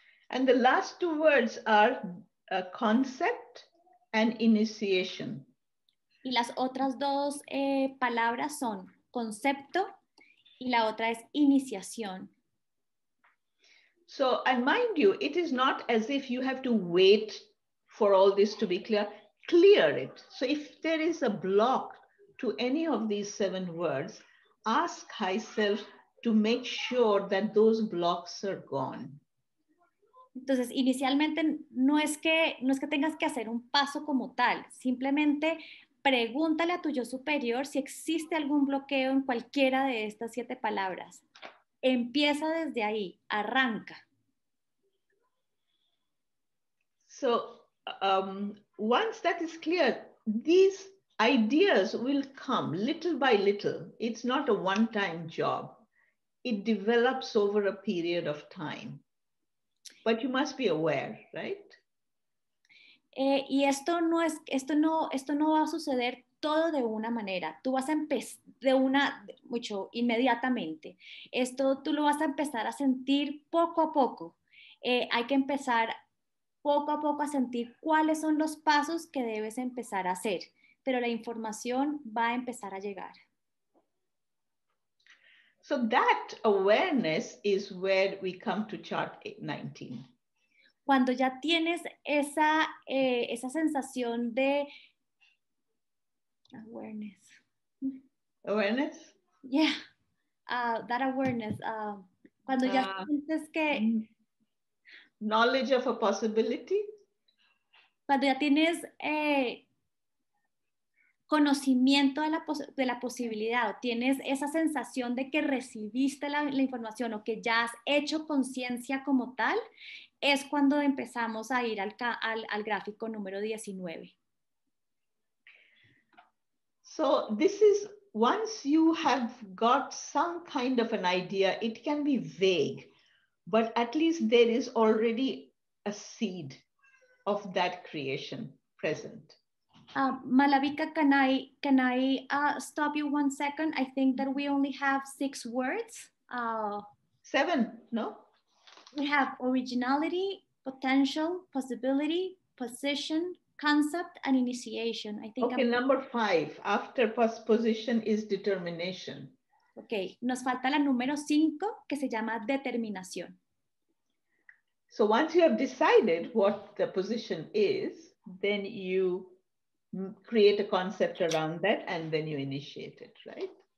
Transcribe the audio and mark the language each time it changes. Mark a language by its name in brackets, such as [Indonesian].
[English] And the last two words are a concept and initiation. [Spanish] Y las otras dos palabras son concepto y la otra es iniciación. [English] So, and mind you, it is not as if you have to wait for all this to be clear. Clear it. So if there is a block to any of these seven words, ask thyself to make sure that those blocks are gone. [Spanish] Entonces, inicialmente no es que tengas que hacer un paso como tal, simplemente pregúntale a tu yo superior si existe algún bloqueo en cualquiera de estas siete palabras. Empieza desde ahí, arranca. [English] So, once that is clear, these ideas will come little by little. It's not a one-time job. It develops over a period of time. But you must be aware, right? [Spanish] Y esto no va a suceder todo de una manera. Tú vas a empezar de una mucho inmediatamente. Esto tú lo vas a empezar a sentir poco a poco. Hay que empezar poco a poco a sentir cuáles son los pasos que debes empezar a hacer. Pero la información va a empezar a llegar. [English] So that awareness is where we come to chart 19. [Spanish] Cuando ya tienes esa sensación de awareness. [English] Awareness? Yeah, that awareness. [Spanish] Cuando ya sientes que... [English] Knowledge of a possibility? [Spanish] Cuando ya tienes conocimiento de la posibilidad, o tienes esa sensación de que recibiste la información o que ya has hecho conciencia como tal, es cuando empezamos a ir al gráfico número 19. [English] So this is, once you have got some kind of an idea, it can be vague, but at least there is already a seed of that creation present. Malabika, can I stop you 1 second? I think that we only have 6 words. 7, no? We have originality, potential, possibility, position, concept, and initiation. I think okay, number 5, after position is determination. [Spanish] Ok, nos falta la número 5 que se llama determinación. [English] So once you have decided what the position is, then you create a concept around that and then you initiate it, right?